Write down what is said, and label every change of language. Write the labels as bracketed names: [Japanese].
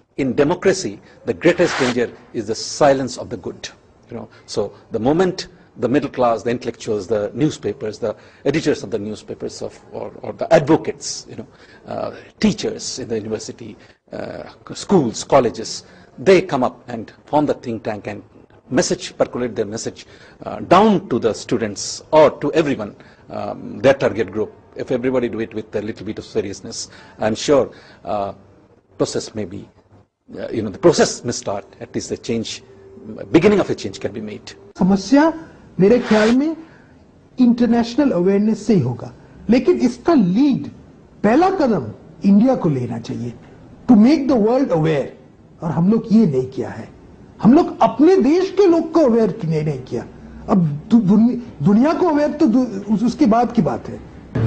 [English] In democracy the greatest danger is the silence of the good, you know, so the moment the middle class, the intellectuals, the newspapers, the editors of the newspapers of और the advocates, you know, teachers in the university, schools, colleges, they come up and form the think tank and message, percolate their message down to the students or to everyone, their target group. If everybody do it with a little bit of seriousness, I'm sure process may be, you know, the process may start, at least the change beginning of a change can be made. [Hindi] समस्या मेरे ख्याल में international awareness से ही होगा, लेकिन इसका lead, पहला कदम India को लेना चाहिए [English] to make the world aware, [Hindi] और हम लोग ये नहीं किया है। हम लोग अपने देश के लोग को अवेयर नहीं किया, अब दुनिया को अवेयर तो उसके बाद की बात है।